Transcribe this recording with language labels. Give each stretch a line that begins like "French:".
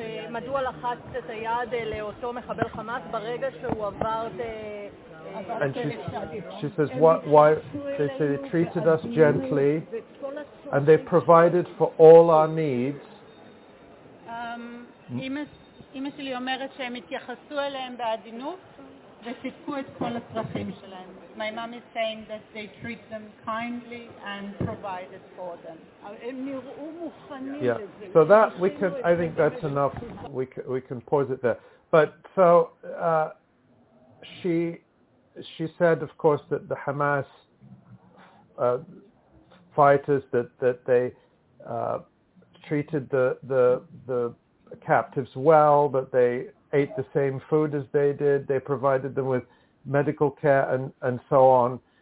Hebrew: מדוע לחצת את היד לאותו מחבל חמאס ברגע שהוא עבר את...
English: And she says, why they say they treated us gently and they provided for all our needs.
Hebrew: אמא שלי אומרת שהם התייחסו אליהם בעדינות וסיפקו את כל הצרכים שלהם.
English: My mom is saying that they treat them kindly and provided for them. Yeah, so that we can, I think that's enough. We can pause it there. But so she said, of course, that the Hamas fighters that they treated the captives well, that they ate the same food as they did, they provided them with medical care and so on.